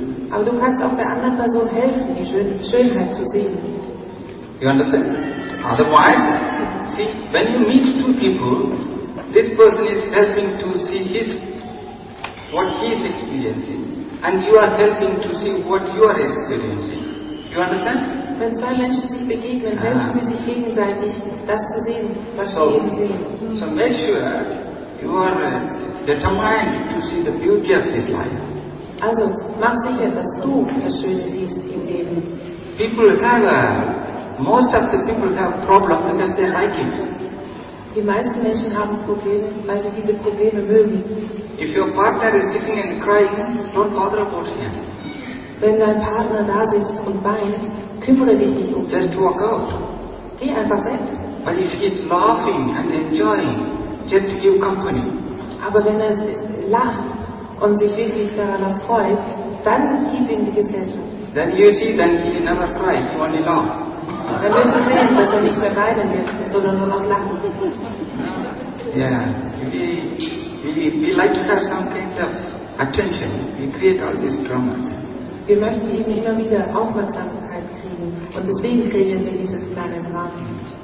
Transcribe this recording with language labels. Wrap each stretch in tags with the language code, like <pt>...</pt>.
<de>Aber du kannst auch der anderen Person helfen, die Schönheit zu sehen.</de> <en>You understand? Otherwise, see, when you meet two people, this person is helping to see his what he is experiencing, and you are helping to see what you are experiencing. You understand?</en> <de>Wenn zwei Menschen sich begegnen, helfen sie sich gegenseitig, das zu sehen, was so, sie sehen.</de> <en>So make sure you are determined to see the beauty of this life.</en> <de>Also, mach sicher, dass du das Schöne siehst in dem.</de> <en>People have most of the people have problems because they like it.</en> <de>Die meisten Menschen haben Probleme, weil sie diese Probleme mögen.</de> <en>If your partner is sitting and crying, don't bother about him.</en> <de>Wenn dein Partner da sitzt und weint, kümmere dich nicht um ihn.</de> <en>Just walk out.</en> <de>Geh einfach weg.</de> <en>But if he's laughing and enjoying, just give company.</en> <de>Aber wenn er lacht und sich wirklich daran freut, dann gib ihm die Gesellschaft.</de> <en>Then you see, then he never cry, he only laugh.</en> <de>Dann wirst du sehen, dass er nicht mehr weinen wird, sondern nur noch lachen.</de> <en>Yeah, we like to have some kind of attention. We create all these dramas.</en> <de>Wir möchten eben immer wieder Aufmerksamkeit kriegen und deswegen kreieren wir diese kleinen Dramen.</de>